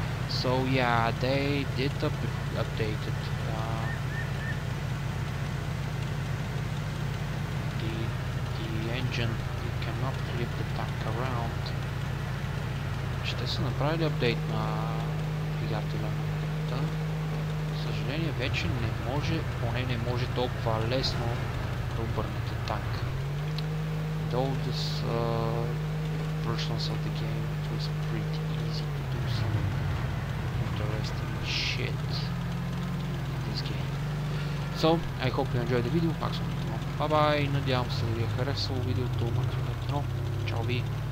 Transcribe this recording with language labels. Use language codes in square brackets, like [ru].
[en] So yeah, they did updated the engine. You cannot flip the tank around. [bg] Ще са направили апдейт на двигателя на тъпта. За съжаление вече не може, поне не може толкова лесно да обърнете танк. [en] Though this versions of the game, it was pretty easy to do some interesting shit in this game. So, I hope you enjoyed the video. [bg] Максимум. [en] Bye-bye. [bg] Надявам се да ви е харесало видеото. Максимум. Чао ви.